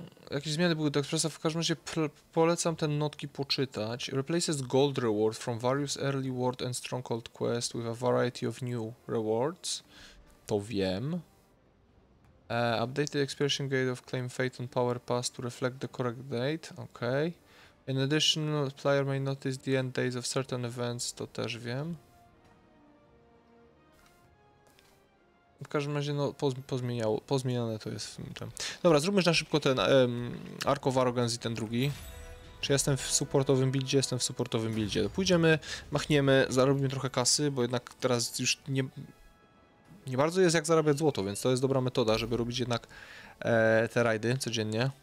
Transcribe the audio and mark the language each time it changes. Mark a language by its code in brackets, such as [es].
[pl] Jakieś zmiany były do ekspresa. W każdym razie polecam te notki poczytać. [en] Replaces gold reward from various early world and stronghold quests with a variety of new rewards. [pl] To wiem. [en] Updated expiration gate of claim fate on power pass to reflect the correct date. Okay. In addition, player may notice the end days of certain events. [pl] To też wiem. W każdym razie no, pozmieniane to jest w tym. Dobra, zróbmy na szybko ten Ark of Arrogance i ten drugi. Czy jestem w supportowym buildzie? Jestem w supportowym buildzie. Pójdziemy, machniemy, zarobimy trochę kasy, bo jednak teraz już nie bardzo jest jak zarabiać złoto, więc to jest dobra metoda, żeby robić jednak te rajdy codziennie.